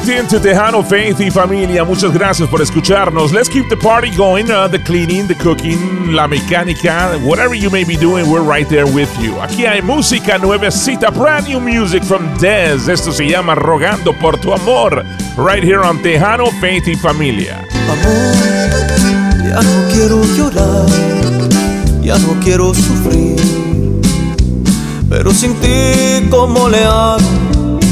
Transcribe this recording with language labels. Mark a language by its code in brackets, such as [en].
[es] To Tejano Faith y Familia, muchas gracias por escucharnos. [en] Let's keep the party going, the cleaning, the cooking, la mecánica, whatever you may be doing, we're right there with you. [es] Aquí hay música nuevecita, [en] brand new music from Dez. [es] Esto se llama Rogando por tu Amor, [en] right here on [es] Tejano Faith y Familia. Amor, ya no quiero llorar, ya no quiero sufrir, pero sin ti, ¿cómo le hago?